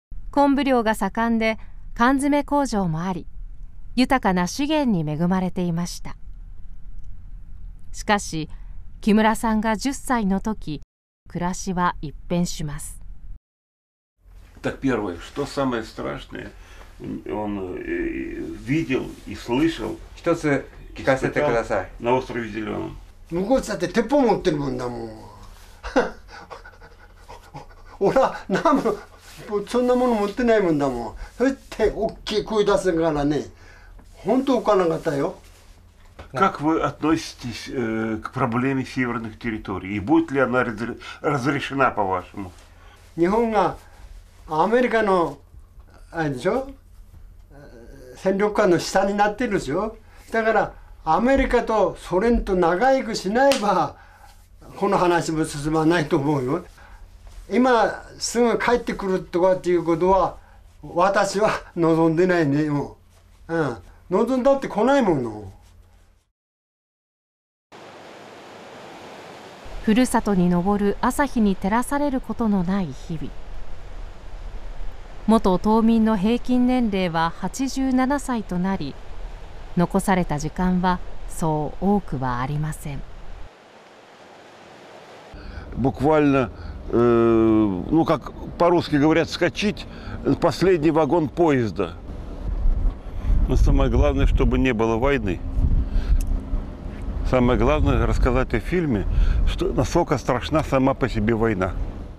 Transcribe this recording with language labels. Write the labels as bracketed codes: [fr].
[ja] 昆布漁が盛んで缶詰工場もあり、豊かな資源に恵まれていました。しかし木村さんが10歳の時、暮らしは一変します。 [ru] Так первое, что самое страшное, он видел и слышал. [ja] 一つ聞かせてください。 [ru] На острове Зелёном. [ja] 向こうだって鉄砲持ってるもんだもん。おら、なんもそんなもの持ってないもんだもん。そして大きい声出すからね。本当おかなかったよ。 [ru] Как вы относитесь к проблеме северных территорий? И будет ли она разрешена по-вашему? [ja] 日本がアメリカのあれでしょ、戦力下の下になってるでしょ。だからアメリカとソ連と長いくしないばこの話も進まないと思うよ。今すぐ帰ってくるとかっていうことは私は望んでないね。もう、望んだって来ないもの。ふるさとに昇る朝日に照らされることのない日々。元島民の平均年齢は87歳となり、残された時間はそう多くはありません。 [ru] Буквально, ну как по-русски говорят, скачить последний вагон поезда. Но самое главное, чтобы не было войны. Самое главное рассказать о фильме, что насколько страшна сама по себе война.